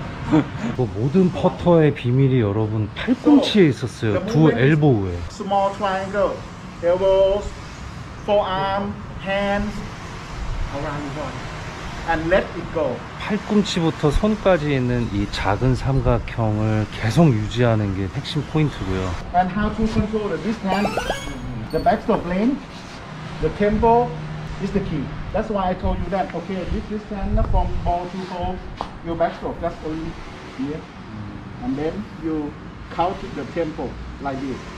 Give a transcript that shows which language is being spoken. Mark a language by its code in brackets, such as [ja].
[ko] The 모든 퍼터의 비밀이 여러분 팔꿈치에 있었어요. 두 엘보우에. [en] Small triangle, elbows, forearm, hands, around the body, and let it go. [ko] 팔꿈치부터 손까지 있는 이 작은 삼각형을 계속 유지하는 게 핵심 포인트고요. [en] And how to control this hand, the backstroke lane, the tempo is the key. That's why I told you that. Okay, this hand from ball to ball, your backstroke just only. Yeah. And then you count the tempo like this.